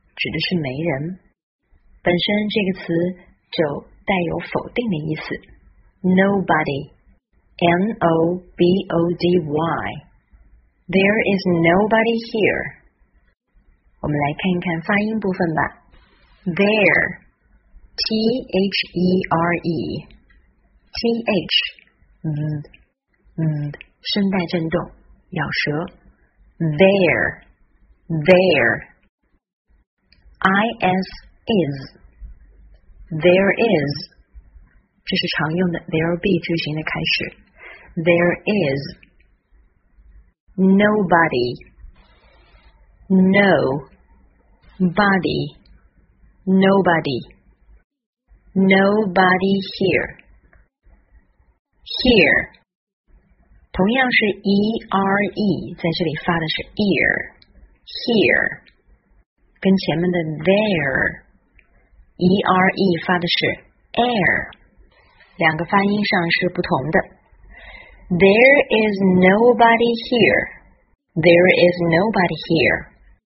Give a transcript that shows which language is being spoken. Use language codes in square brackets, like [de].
[zh] 指的是没人，本身这个词就带有否定的意思。 [en] Nobody, N-O-B-O-D-Y. There is nobody here. [zh] 我们来看一看发音部分吧。 [en] There, T-H-E-R-E, T-H, Th, [zh] 声带震动，咬舌。 [en] There, there. I-S is, there is, [zh] 这是常用的 [en] there'll be [zh] 句型的开始。 [en] There is, nobody, no, body, nobody, nobody here, here. [zh] 同样是 E-R-E, 在这里发的是 ear, here. 跟前面的 there, E-R-E 发的是 air, 两个发音上是不同的。 [en] There is nobody here. There is nobody here.